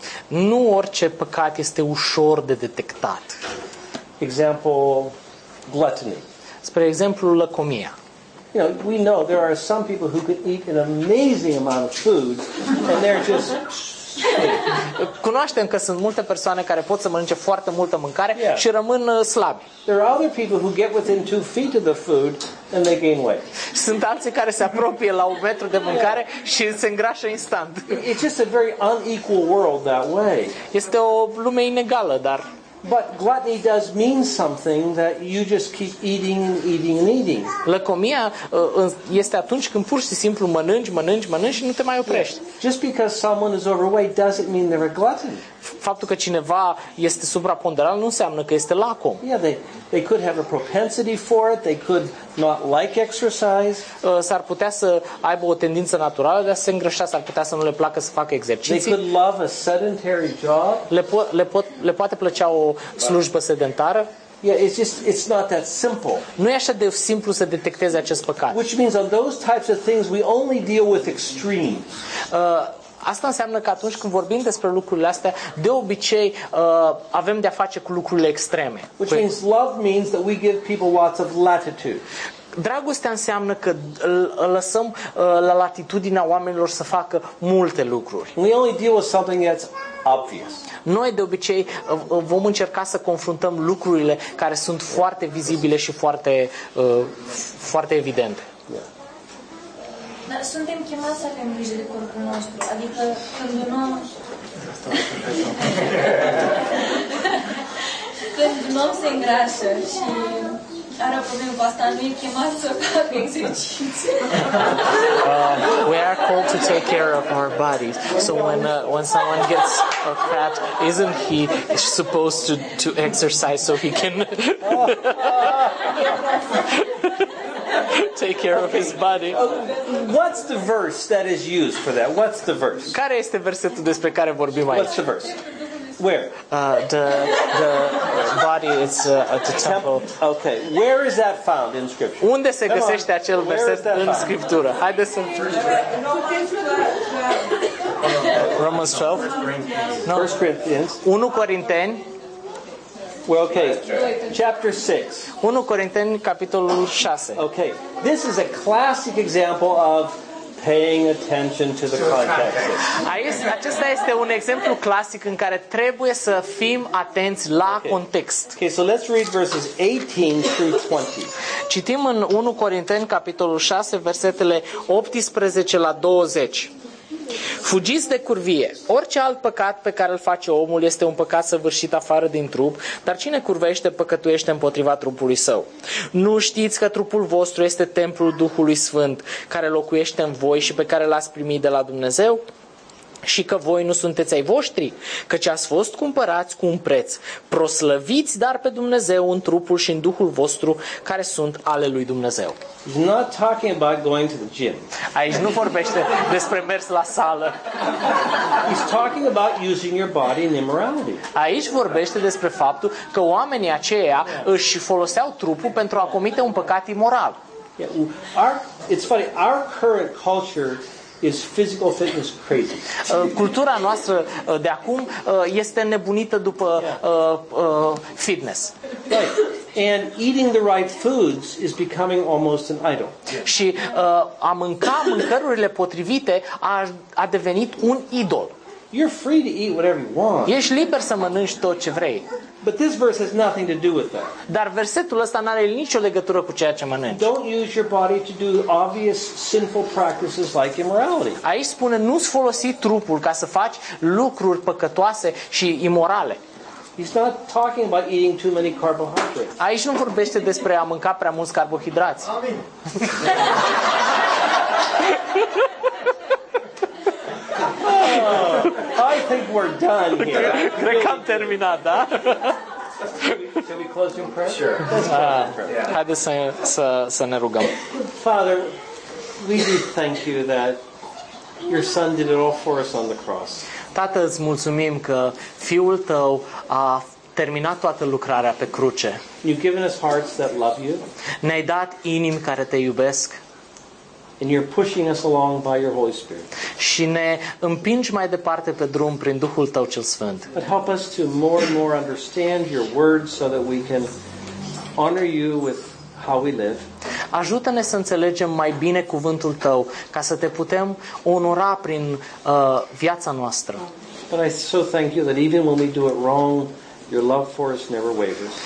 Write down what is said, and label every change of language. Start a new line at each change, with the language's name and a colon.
Romanian: Nu orice păcat este ușor de detectat.
English: Example, gluttony.
Romanian: Spre exemplu, lăcomia.
English: You know, we know there are some people who can eat an amazing amount of food and they're just...
Romanian: Cunoaștem că sunt multe persoane care pot să mănânce foarte multă mâncare
English: yeah.
Romanian: și rămân slabi.
English: There are other people who get within 2 feet of the food and they gain weight.
Romanian: Sunt alții care se apropie la un metru de mâncare
English: yeah.
Romanian: și se îngrașă instant.
English: It's just a very unequal world that way.
Romanian: Este o lume inegală, dar
English: but gluttony does mean something that you just keep eating and eating and eating.
Romanian: Lăcomia este atunci când pur și simplu mănânci, mănânci, mănânci și nu te mai oprești.
English: Just because someone is overweight doesn't mean they're a glutton.
Romanian: Faptul că cineva este supraponderal nu înseamnă că este lacom.
English: Yeah, they could have a propensity for it. They could not like exercise.
Romanian: S-ar putea să aibă o tendință naturală de a se îngrășa, s-ar putea să nu le placă să facă exerciții.
English: They could love a sedentary job.
Romanian: Le poate plăcea o slujbă sedentară.
English: Yeah, it's not that simple.
Romanian: Nu e așa de simplu să detectezi acest păcat.
English: Which means on those types of things we only deal with extremes.
Romanian: Asta înseamnă că atunci când vorbim despre lucrurile astea, de obicei avem de a face cu lucrurile extreme.
English: Which means love means that we give people lots of latitude.
Romanian: Dragostea înseamnă că lăsăm la latitudinea oamenilor să facă multe lucruri.
English: We only deal with something that's obvious.
Romanian: Noi de obicei vom încerca să confruntăm lucrurile care sunt foarte vizibile și foarte foarte evidente.
English: Yeah.
Romanian: Dar suntem chemați să avem grijă de corpul nostru. Adică când un om... când un om se îngrașă și are o problemă cu asta, nu e chemat să facă exerciții.
English: We are called to take care of our bodies. So when someone gets a fat, isn't he supposed to exercise so he can... take care of his body. What's the verse that is used for that? What's the verse? Care este versetul despre care vorbim aici? What's the verse? Where? The body is at the temple. Okay. Where is that found in scripture?
Romanian: Unde se găsește acel verset în scriptură? Haide să
English: Romans 12. No. 1 Corinthians.
Romanian: 1 Corinteni.
English: Well, okay. Chapter 6.
Romanian: 1 Corinteni capitolul 6.
English: Okay. This is a classic example of paying attention to the context.
Romanian: Acesta este un exemplu clasic în care trebuie să fim atenți la context.
English: Okay, so let's read verses 18 through 20.
Romanian: Citim în 1 Corinteni capitolul 6 versetele 18 la 20. Fugiți de curvie. Orice alt păcat pe care îl face omul este un păcat săvârșit afară din trup, dar cine curvește păcătuiește împotriva trupului său. Nu știți că trupul vostru este templul Duhului Sfânt, care locuiește în voi și pe care l-ați primit de la Dumnezeu? Și că voi nu sunteți ai voștri, căci ați fost cumpărați cu un preț. Proslăviți dar pe Dumnezeu în trupul și în Duhul vostru, care sunt ale lui Dumnezeu.
English: He's not talking about going to the gym.
Romanian: Aici nu vorbește despre mers la sală.
English: He's talking about using your body in immorality.
Romanian: Aici vorbește despre faptul că oamenii aceia își foloseau trupul pentru a comite un păcat imoral.
English: Yeah, it's funny, our current culture is physical fitness crazy.
Romanian: Cultura noastră de acum este nebunită după fitness.
English: Right. And eating the right foods is becoming almost an idol.
Romanian: Și a mânca mâncărurile potrivite a devenit un idol.
English: You're free to eat whatever you want.
Romanian: Ești liber să mănânci tot ce vrei.
English: But this verse has nothing to do with that.
Romanian: Dar versetul ăsta n-are nicio legătură cu ceea ce mănânci.
English: Don't use your body to do obvious sinful practices like immorality.
Romanian: Aici spune nu-ți folosi trupul ca să faci lucruri păcătoase și imorale.
English: He's not talking about eating too many carbohydrates.
Romanian: Aici nu vorbește despre a mânca prea mulți carbohidrați. Amin.
English: I think we're done here.
Romanian: Cred că am terminat, da?
English: Shall we close in prayer? Sure.
Romanian: Haideți să ne rugăm.
English: Father, we do thank you that your son did it all for us on the cross.
Romanian: Tată, îți mulțumim că fiul tău a terminat toată lucrarea pe cruce.
English: You've given us hearts that love you.
Romanian: Ne-ai dat inimi care te iubesc.
English: And you're pushing us along by your Holy Spirit.
Romanian: Și ne împingi mai departe pe drum prin Duhul tău cel sfânt.
English: But help us to more and more understand your word so that we can honor you with how we live.
Romanian: Ajută-ne să înțelegem mai bine cuvântul tău ca să te putem onora prin viața noastră.
English: But I so thank you that even when we do it wrong, your love for us never wavers.